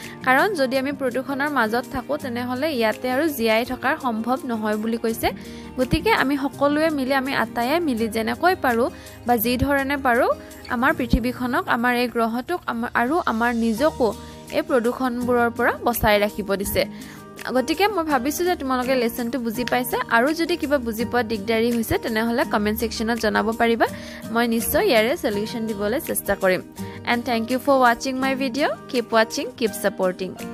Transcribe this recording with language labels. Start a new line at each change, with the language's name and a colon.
Assamese: কাৰণ যদি আমি প্ৰদূষণৰ মাজত থাকোঁ তেনেহ'লে ইয়াতে আৰু জীয়াই থকাৰ সম্ভৱ নহয় বুলি কৈছে। গতিকে আমি সকলোৱে মিলি, আমি আটায়ে মিলি যেনেকৈ পাৰোঁ বা যিধৰণে পাৰোঁ, আমাৰ পৃথিৱীখনক, আমাৰ এই গ্ৰহটোক আৰু আমাৰ নিজকো এই প্ৰদূষণবোৰৰ পৰা বচাই ৰাখিব দিছে। গতিকে মই ভাবিছোঁ যে তোমালোকে লেচনটো বুজি পাইছা। আৰু যদি কিবা বুজি পোৱাত দিগদাৰি হৈছে তেনেহ'লে কমেণ্ট ছেকশ্যনত জনাব পাৰিবা, মই নিশ্চয় ইয়াৰে চলিউশ্যন দিবলৈ চেষ্টা কৰিম।
English: And thank U for ৱাচিং মাই video'. Keep ৱাচিং, keep supporting.